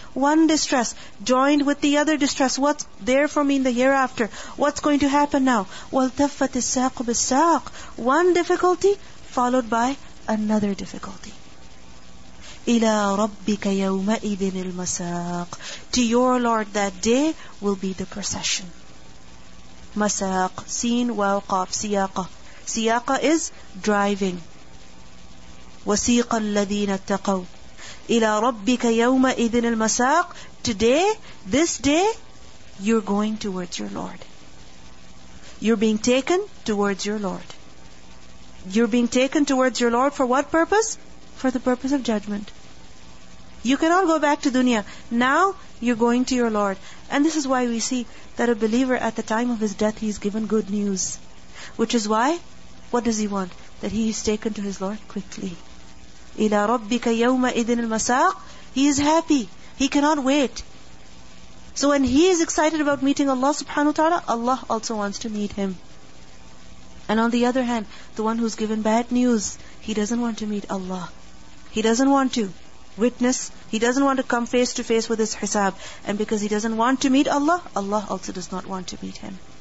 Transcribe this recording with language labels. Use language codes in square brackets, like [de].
[en] One distress joined with the other distress, what's there for me in the hereafter? What's going to happen now? [ar] وَالْتَفَّتِ السَّاقُ بِالسَّاقُ [en] One difficulty followed by another difficulty. [ar] إِلَىٰ رَبِّكَ يَوْمَئِذٍ الْمَسَاقُ [en] To your Lord that day will be the procession. [ar] مساق سين وَوْقَافْ سِيَاقَ سِيَاقَ [en] is driving. [ar] وَسِيقَ الَّذِينَ اتَّقَوْا إِلَىٰ رَبِّكَ يَوْمَئِذٍ الْمَسَاقُ [en] Today, this day, you're going towards your Lord. You're being taken towards your Lord. You're being taken towards your Lord for what purpose? For the purpose of judgment. You cannot go back to dunya. Now, you're going to your Lord. And this is why we see that a believer at the time of his death, he's given good news. Which is why, what does he want? That he is taken to his Lord quickly. [ar] إِلَىٰ رَبِّكَ يَوْمَئِذٍ الْمَسَاقِ [en] He is happy. He cannot wait. So when he is excited about meeting Allah subhanahu wa ta'ala, Allah also wants to meet him. And on the other hand, the one who's given bad news, he doesn't want to meet Allah. He doesn't want to. witness. He doesn't want to come face to face with his hisab. And because he doesn't want to meet Allah, Allah also does not want to meet him.